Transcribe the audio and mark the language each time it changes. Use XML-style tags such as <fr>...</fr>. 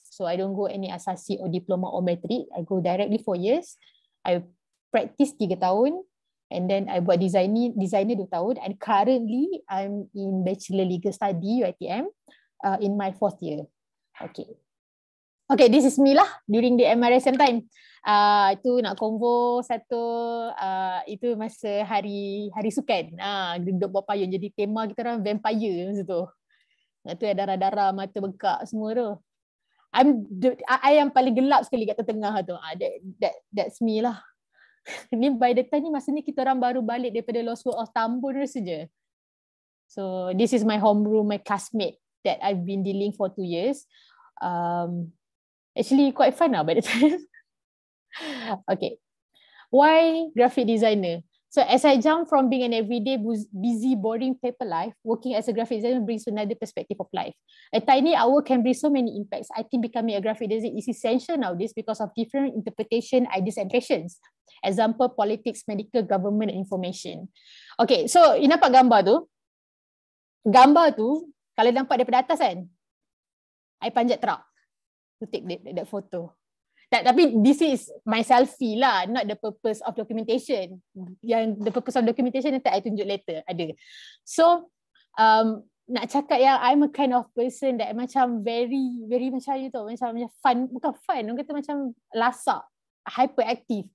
<en>So I don't go any asasi or diploma or matric. I go directly 4 years. I practice 3 tahun. And then I buat designer 2 tahun. And currently, I'm in Bachelor Legal Study UITM in my 4th year. Okay. Okay, this is me lah during the MRSM time.</en> <ms>Itu nak convo satu itu masa hari sukan. Duduk bawa payung, jadi tema kita orang vampire masa tu. Lepas tu ada darah-darah, mata bengkak semua tu. I yang paling gelap sekali kat tengah tu.</ms> <en>That's me lah.</en> <ms>Ni by the time ni masa ni kita orang baru balik daripada Lost World of Tambun rasa je.</ms> <en>So this is my homeroom, my classmate that I've been dealing for 2 years. Actually quite fun lah by the time. Okay. Why graphic designer? So as I jump from being an everyday busy boring paper life, working as a graphic designer brings another perspective of life. A tiny hour can bring so many impacts. I think becoming a graphic designer is essential nowadays because of different interpretation, ideas and passions. Example, politics, medical, government and information. Okay, so you</en> <ms>nampak gambar tu? Gambar tu, kalau nampak daripada atas kan?</ms> <en>I panjat truck to take that photo. Tapi this is my selfie lah, not the purpose of documentation. Yang the purpose of documentation nanti I tunjuk later ada. So nak cakap yang I'm a kind of person that macam very very macam you tu, macam fun,</en> <ms>bukan fun, orang kata macam lasak,</ms> <en>hyperactive.</en>